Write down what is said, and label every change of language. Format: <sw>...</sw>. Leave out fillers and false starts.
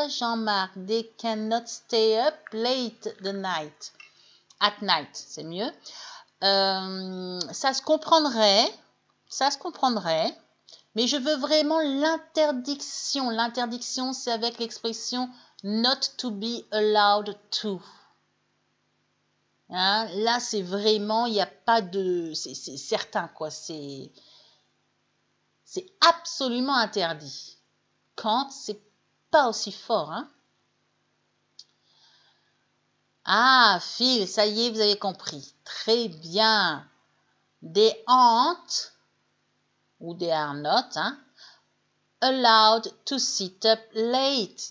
<en>Jean-Marc, they cannot stay up late the night. At night,</en> <fr>c'est mieux. Ça se comprendrait, ça se comprendrait, mais je veux vraiment l'interdiction. L'interdiction, c'est avec l'expression</fr> <en>not to be allowed to.</en> <fr>Hein? Là, c'est vraiment, il n'y a pas de. C'est certain, quoi. C'est absolument interdit. Quand, c'est pas aussi fort, hein? Ah, Phil, ça y est, vous avez compris. Très bien.</fr> <en>They aren't, ou they are not, hein, allowed to sit up late.</en>